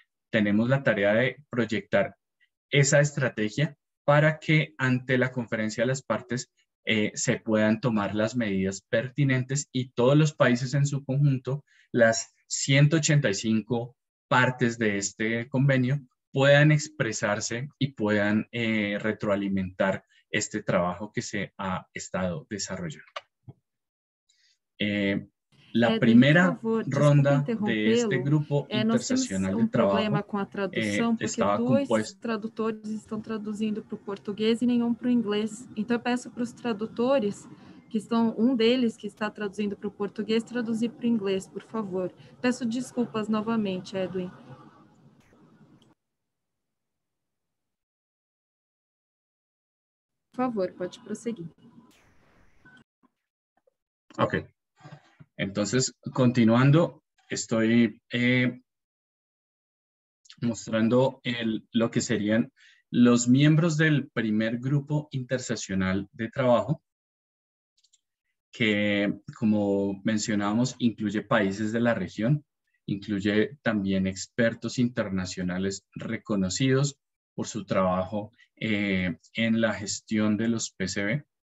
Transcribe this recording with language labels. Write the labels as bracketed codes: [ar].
[es] Tenemos la tarea de proyectar esa estrategia para que ante la conferencia de las partes se puedan tomar las medidas pertinentes y todos los países en su conjunto, las 185 partes de este convenio, puedan expresarse y puedan retroalimentar este trabajo que se ha estado desarrollando. La primera ronda de este grupo intersesional de trabajo estaba compuesto. Dos traductores están traduciendo para el portugués y ninguno para el inglés. [pt] Entonces, peço [es] para los traductores, [pt] que estão, um deles que está traduzindo para o português, traduzir para o inglês, por favor. Peço desculpas novamente, Edwin. Por favor, pode prosseguir. Ok. [es] Entonces, continuando, estoy mostrando lo que serían los miembros del primer grupo intersesional de trabajo, que, como mencionábamos, incluye países de la región, incluye también expertos internacionales reconocidos por su trabajo en la gestión de los PCB.